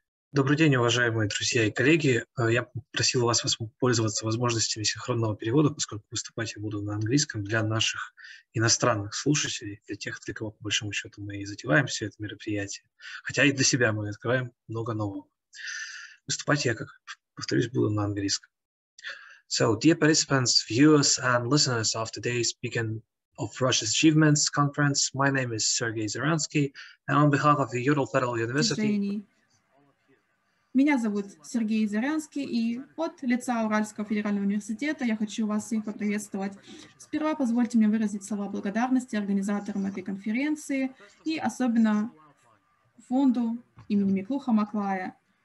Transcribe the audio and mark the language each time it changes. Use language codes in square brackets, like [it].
[ru] Добрый день, уважаемые друзья и коллеги. Я просил вас воспользоваться возможностями синхронного перевода, поскольку выступать я буду на английском для наших иностранных слушателей, для тех, для кого, по большому счету, мы и затеваем все это мероприятие. Хотя и для себя мы открываем много нового. Выступать я, как повторюсь, буду на английском. [en] So, dear participants, viewers, and listeners of today's Beacon of Russia's Achievements Conference, my name is Sergei Zarianskiy, and on behalf of the Ural Federal University... [ru] Меня зовут Сергей Зарянский, и от лица Уральского федерального университета я хочу вас всех поприветствовать. Сперва позвольте мне выразить слова благодарности организаторам этой конференции и особенно фонду имени Миклуха Маклая.